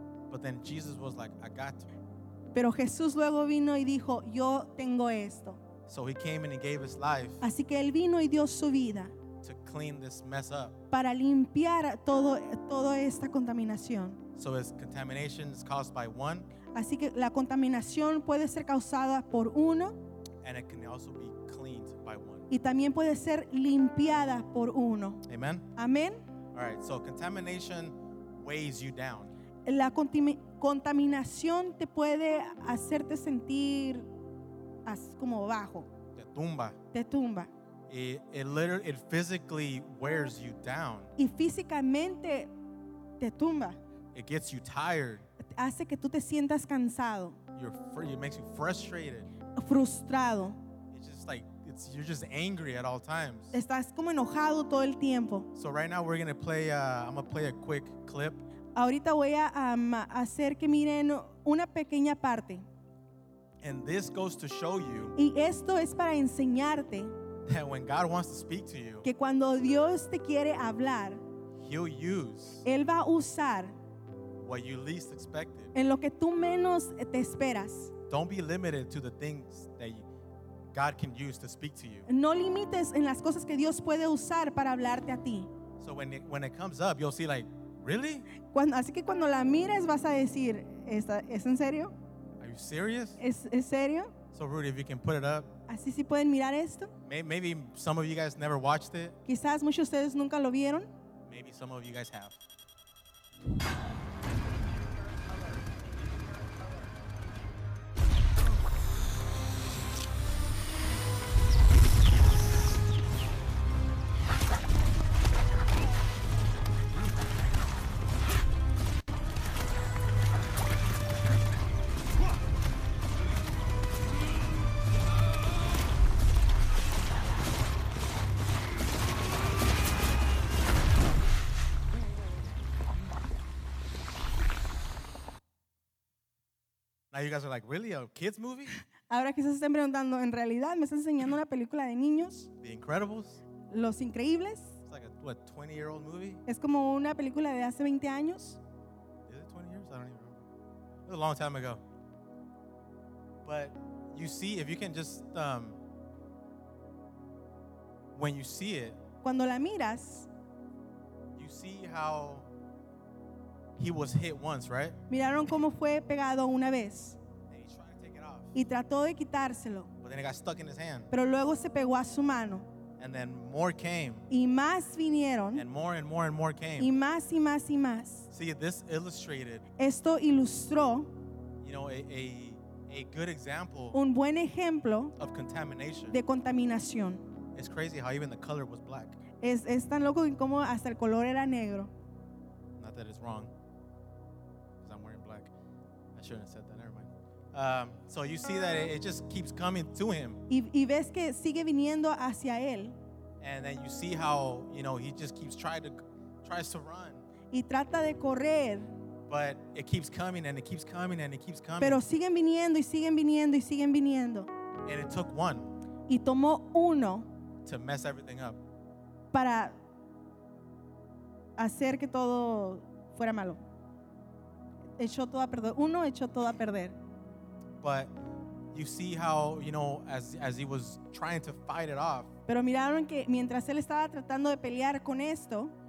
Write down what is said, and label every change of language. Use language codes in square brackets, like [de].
[en] But then Jesus was like, I got to. [es] Pero Jesús luego vino y dijo, yo tengo esto. [en] So he came and he gave his life. [es] Así que él vino y dio su vida. [en] To clean this mess up. [es] Para limpiar toda esta contaminación. [en] So as contamination is caused by one. [es] Así que la contaminación puede ser causada por uno. [en] And it can also be cleaned by one. [es] Y también puede ser limpiada por uno. [en] Amen. [es] Amen. [en] All right. So contamination weighs you down. [es] La contaminación te puede hacerte sentir como bajo. Te tumba. Te tumba. [en] It physically wears you down. [es] Y físicamente te tumba. [en] It gets you tired. [es] Hace que tú te sientas cansado. [en] It makes you frustrated. [es] Frustrado. [en] You're just angry at all times. [es] Estás como enojado todo el tiempo. [en] So right now we're going to play, I'm going to play a quick clip. [es] Ahorita voy a hacer que miren una pequeña parte. [en] And this goes to show you. [es] Y esto es para enseñarte. [en] That when God wants to speak to you. [es] Que cuando Dios te quiere hablar. [en] He'll use. [es] Él va a usar. [en] What you least expected. [es] En lo que tú menos te esperas. [en] Don't be limited to the things that you. God can use to speak to you. [es] No limites en las cosas que Dios puede usar para hablarte a ti. [en] So when it comes up, you'll see like, really? [es] Cuando, así que cuando la mires, vas a decir, ¿es en serio? [en] Are you serious? [es] ¿Es serio? [en] So Rudy, if you can put it up. [es] Así sí pueden mirar esto. [en] Maybe some of you guys never watched it. [es] Quizás muchos de ustedes nunca lo vieron. [en] Maybe some of you guys have. Now you guys are like, really, a kids movie? [es] Ahora quizás estén preguntando, ¿en realidad me estás enseñando una película de niños? [en] The Incredibles. [es] Los Increíbles. [en] It's like a 20-year-old movie. [es] Es como una película de hace 20 años. [en] Is it 20 years? I don't even remember. It was a long time ago. But you see, if you can just, when you see it. [es] Cuando la miras. [en] You see how. He was hit once, right? [es] Miraron cómo fue pegado una vez. [en] And he tried to take it off. [es] Y trató de quitárselo. [en] But then it got stuck in his hand. [es] Pero luego se pegó a su mano. [en] And then more came. [es] Y más vinieron. [en] And more and more and more came. [es] Y más y más y más. [en] See, this illustrated. [es] Esto ilustró. [en] You know, a good example. [es] Un buen ejemplo. [en] Of contamination. [es] De contaminación. [en] It's crazy how even the color was black. [es] Es tan loco como hasta el color era negro. [en] Not that it's wrong, because I'm wearing black. I shouldn't have said that. Never mind. So you see that it just keeps coming to him. [es] Y ves que sigue viniendo hacia él. [en] And then you see how, you know, he just keeps tries to run. [es] Y trata de correr. [en] But it keeps coming and it keeps coming and it keeps coming. [es] Pero siguen viniendo y siguen viniendo y siguen viniendo. [en] And it took one. [es] Y tomó uno. [en] To mess everything up. [es] Para hacer que todo fuera malo. Echó todo a perder. Uno echó todo a perder. [en] But you see how, you know, as he was trying to fight it off. [es] Pero miraron que mientras él estaba tratando de pelear con esto.